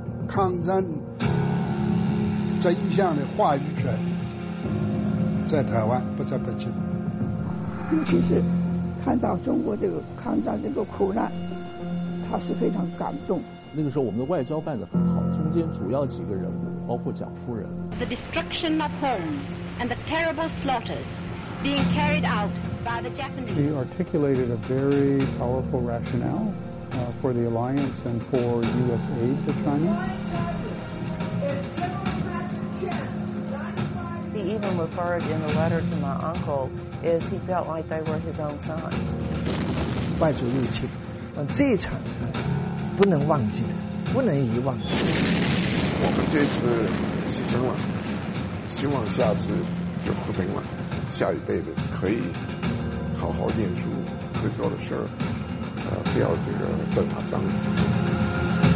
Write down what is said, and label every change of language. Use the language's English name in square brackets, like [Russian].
[Chinese] 抗战真相的话语权在台湾不在北京，尤其是看到中国这个抗战这个苦难，他是非常感动。那个时候我们的外交办得很好，中间主要几个人物包括蒋夫人。 [English] The destruction of homes and the terrible slaughters being carried out by the Japanese. She articulated a very powerful rationale for the alliance and for U.S. aid to China. He even referred in a letter to my uncle as he felt like they were his own sons. [Chinese] 外族入侵，这一场是不能忘记的，不能遗忘的。我们这次牺牲了，希望下次就和平了，下一辈子可以好好念书，会做的事儿，不要这个再打仗。